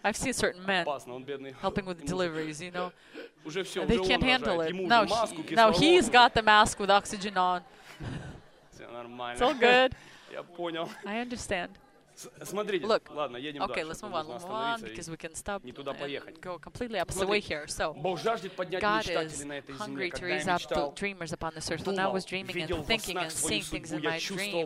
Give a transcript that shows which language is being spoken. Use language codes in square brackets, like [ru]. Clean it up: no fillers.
[en] I've seen certain men helping with deliveries, you know. They can't handle it. Now he's got the mask with oxygen on. It's all good. [ru] Я понял. [en] I understand. [ru] Смотрите. [en] Look. [ru] Ладно, едем [en] okay, [ru] дальше. [en] Okay, let's move on, because we can stop. [ru] Не туда поехать. [en] Go completely opposite way here. So. [ru] Бог жаждет поднять мечтателей на этой земле, когда я мечтал. [en] Dreamers upon this earth. When I was dreaming and thinking and seeing things in my dream.